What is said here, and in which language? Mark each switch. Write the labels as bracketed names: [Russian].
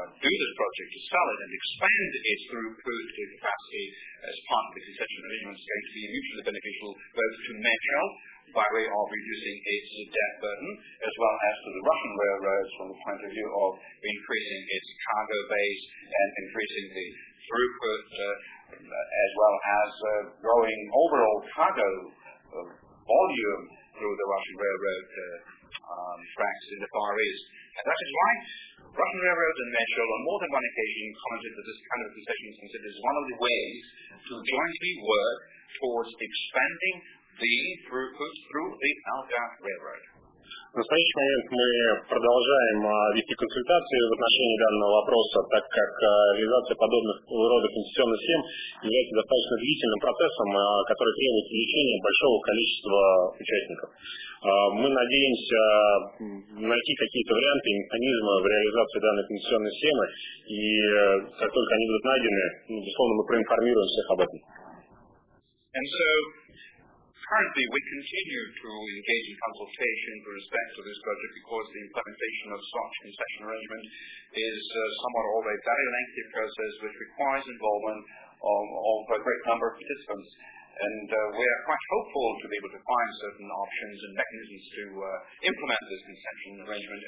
[English] do this project, to sell it and expand its throughput capacity as part of the concession arrangement is going to be mutually beneficial both to Metro by way of reducing its debt burden, as well as to the Russian railroads from the point of view of increasing its cargo base and increasing the throughput, as well as growing overall cargo volume through the Russian railroad tracks in the Far East. And that is why Russian railroads and Metro on more than one occasion commented that this kind of concession is considered as one of the ways to jointly work towards expanding the throughput through the Algar Railroad. [Russian] В настоящий момент мы продолжаем вести консультации в отношении данного вопроса, так как реализация подобных рода концессионных схем является достаточно длительным процессом, который требует привлечения большого количества участников. Мы надеемся найти какие-то варианты и механизмы в реализации данной концессионной схемы, и как только они будут найдены, безусловно, мы проинформируем всех об этом. [English] And so... Currently, we continue to engage in consultation with respect to this project because the implementation of such concession arrangement is somewhat of a very lengthy process which requires involvement of a great number of participants. And we are quite hopeful to be able to find certain options and mechanisms to implement this concession arrangement.